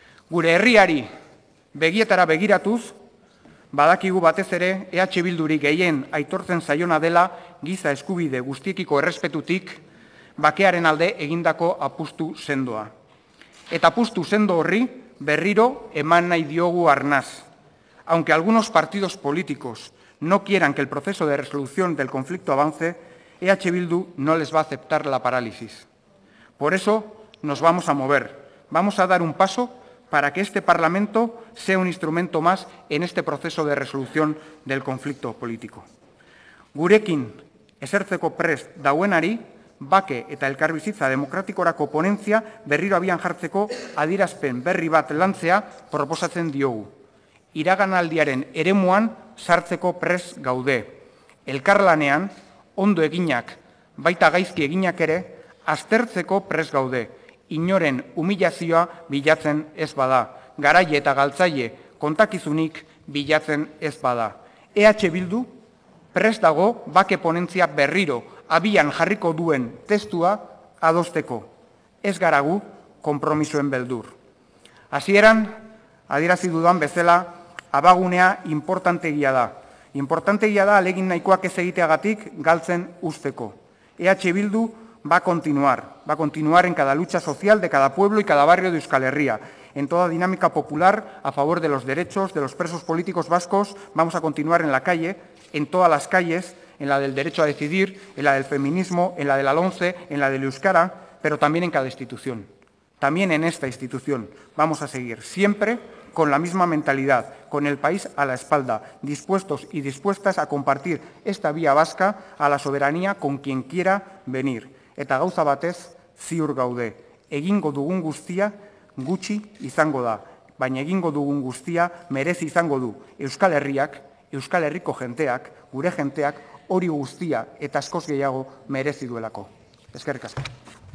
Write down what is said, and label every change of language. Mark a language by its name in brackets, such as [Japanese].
[Basque] Gure herriari begietara begiratuz, badakigu batez ere EH Bilduri gehien aitortzen zaiona dela giza eskubide guztiekiko errespetutik bakearen alde egindako apustu sendoa. Eta apustu sendo horri berriro eman nahi diogu arnaz. [Spanish] Aunque algunos partidos políticos no quieran que el proceso de resolución del conflicto avance, EH Bildu no les va a aceptar la parálisis. Por eso nos vamos a mover, vamos a dar un paso para que este Parlamento sea un instrumento más en este proceso de resolución del conflicto político. [Basque] Gurekin esertzeko prest dauenari, bake eta elkarbizitza demokratikorako ponentzia berriro abian jartzeko adierazpen berri bat lantzea proposatzen diogu. Iraganaldiaren eremuan sartzeko prest gaude. Elkarlanean, ondo eginak, baita gaizki eginak ere, aztertzeko prest gaude. Inoren humilazioa bilatzen ez bada, garaile eta galtzaile kontakizunik bilatzen ez bada. EH Bildu prest dago bake ponentzia berriro abian jarriko duen testua adosteko. Ez gara gu konpromisoen beldur. Hasieran adierazi dudan bezala, abagunea importantegia da. Importantegia da alegin nahikoak ez egiteagatik galtzen uzteko. [Spanish] EH Bildu va a continuar en cada lucha social de cada pueblo y cada barrio de Euskal Herria, en toda dinámica popular a favor de los derechos de los presos políticos vascos. Vamos a continuar en la calle, en todas las calles, en la del derecho a decidir, en la del feminismo, en la de la LOMCE, en la del euskara, pero también en cada institución. También en esta institución vamos a seguir siempre con la misma mentalidad, con el país a la espalda, dispuestos y dispuestas a compartir esta vía vasca a la soberanía con quien quiera venir. [Basque] Eta gauza batez, ziur gaude, egingo dugun guztia gutxi izango da, baina egingo dugun guztia merezi izango du Euskal Herriak Euskal Herriko jenteak, gure jenteak, hori guztia eta askoz gehiago merezi duelako. Eskerrik asko.